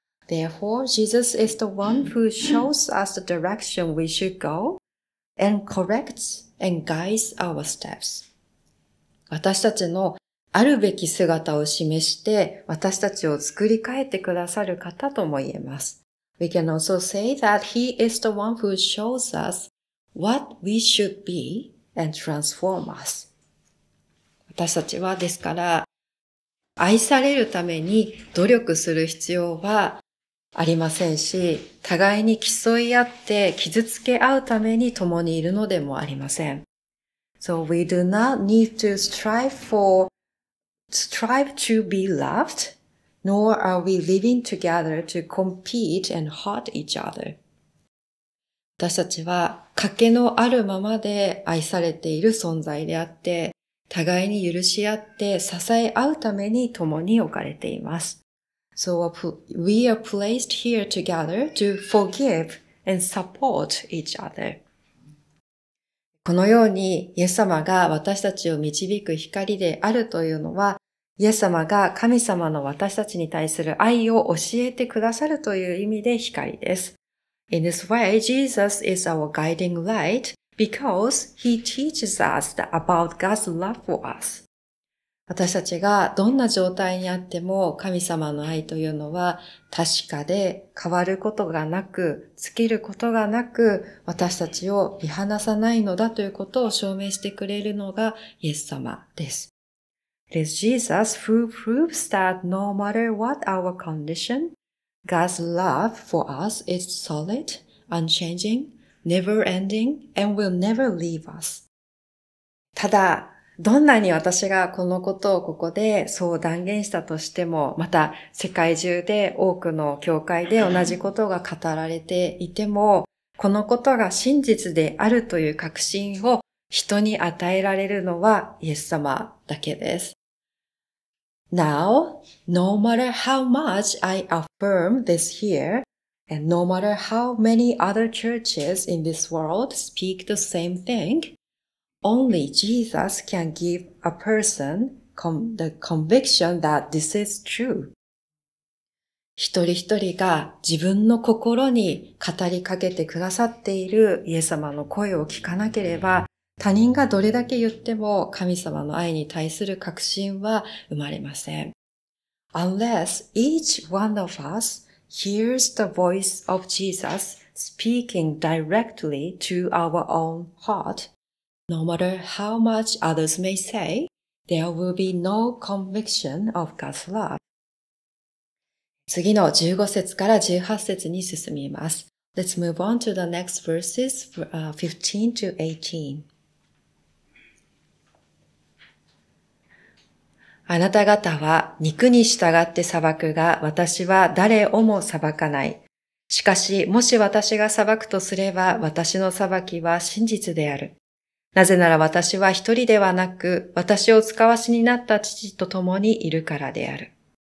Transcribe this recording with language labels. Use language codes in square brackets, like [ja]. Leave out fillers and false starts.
[en] Therefore, Jesus is the one who shows us the direction we should go and corrects and guides our steps. [ja] 私たちのあるべき姿を示して私たちを作り変えてくださる方とも言えます。 [en] We can also say that he is the one who shows us what we should be and transform us. [ja] 私たちはですから、愛されるために努力する必要はありませんし、互いに競い合って傷つけ合うために共にいるのでもありません。 [en] So we do not need to strive to be loved. Nor are we living together to compete and hurt each other. [ja] 私たちは欠けのあるままで愛されている存在であって、互いに許し合って支え合うために共に置かれています。 [en] So we are placed here together to forgive and support each other. [ja] このようにイエス様が私たちを導く光であるというのは、イエス様が神様の私たちに対する愛を教えてくださるという意味で光です。 [en] In this way, Jesus is our guiding light because he teaches us about God's love for us. [ja] 私たちがどんな状態にあっても神様の愛というのは確かで変わることがなく、尽きることがなく、私たちを見放さないのだということを証明してくれるのがイエス様です。 [en] It is Jesus who proves that no matter what our condition, God's love for us is solid, unchanging, never ending, and will never leave us. [ja] ただ、どんなに私がこのことをここでそう断言したとしても、また世界中で多くの教会で同じことが語られていても、このことが真実であるという確信を人に与えられるのはイエス様だけです。 [en] Now, no matter how much I affirm this here, and no matter how many other churches in this world speak the same thing, only Jesus can give a person the conviction that this is true. [ja] 一人一人が自分の心に語りかけてくださっているイエス様の声を聞かなければ、他人がどれだけ言っても神様の愛に対する確信は生まれません。 [en] Unless each one of us hears the voice of Jesus speaking directly to our own heart, no matter how much others may say, there will be no conviction of God's love. [ja] 次の15節から18節に進みます。 [en] Let's move on to the next verses 15 to 18. [ja] あなた方は肉に従って裁くが、私は誰をも裁かない。しかし、もし私が裁くとすれば、私の裁きは真実である。なぜなら私は一人ではなく、私を遣わしになった父と共にいるからである。